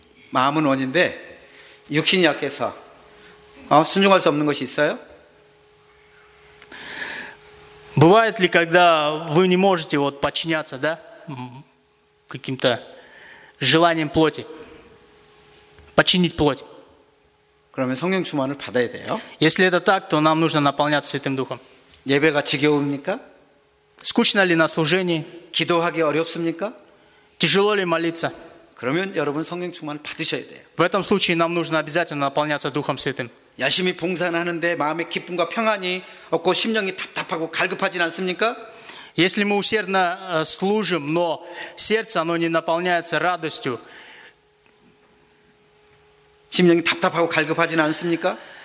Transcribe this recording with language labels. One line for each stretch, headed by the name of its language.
Korean: 마음은 원인데 육신이 약해서 순종할 수 없는 것이 있어요?
Russian: Бывает ли, когда вы не можете вот подчиняться, да, каким-то желаниям плоти, подчинить плоть?
Korean: 그러면 성령 충만을 받아야 돼요.
Russian: Если это так, то нам нужно наполняться Святым Духом.
Korean: 예배가 지겨웁니까?
Russian: Скучно ли на служении?
Korean: 기도하기 어렵습니까?
Russian: Тяжело ли молиться?
Korean: 그러면 여러분 성령 충만을 받으셔야 돼요.
Russian: В этом случае нам нужно обязательно наполняться Духом Святым.
Korean: 열심히 봉사하는데 마음의 기쁨과 평안이 없고 심령이 답답하고 갈급하지 않습니까?
Russian: Если мы усердно служим, но сердце оно не наполняется радостью.
Korean: 심령이 답답하고 갈급하지는 않습니까?